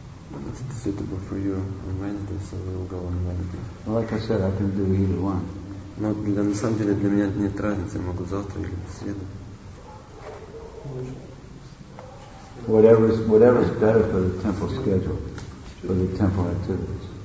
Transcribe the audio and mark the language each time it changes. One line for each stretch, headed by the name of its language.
Russian: Удобно,
English: for you on Wednesday, so we'll go on Wednesday. Well, like I said, I can do either one.
Russian: Но для на самом деле для меня нет разницы, могу завтра или в среду.
English: Whatever's better for the temple schedule, for the temple activities.